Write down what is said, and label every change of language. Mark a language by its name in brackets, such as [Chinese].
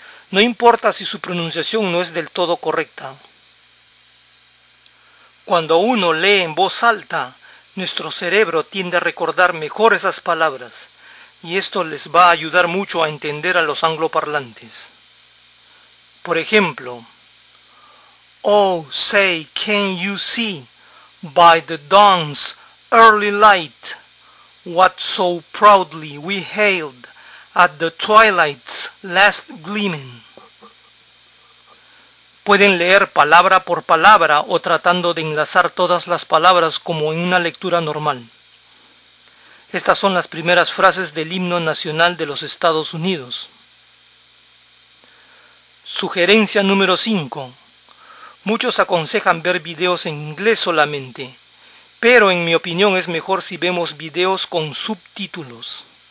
[Spanish] No importa si su pronunciación no es del todo correcta. Cuando uno lee en voz alta, nuestro cerebro tiende a recordar mejor esas palabras, y esto les va a ayudar mucho a entender a los angloparlantes. Por ejemplo, [English] oh, say, can you see by the dawn's early light what so proudly we hailed at the twilight's last gleaming? [Spanish] Pueden leer palabra por palabra o tratando de enlazar todas las palabras como en una lectura normal. Estas son las primeras frases del himno nacional de los Estados Unidos. Sugerencia número 5. Muchos aconsejan ver videos en inglés solamente, pero en mi opinión es mejor si vemos videos con subtítulos.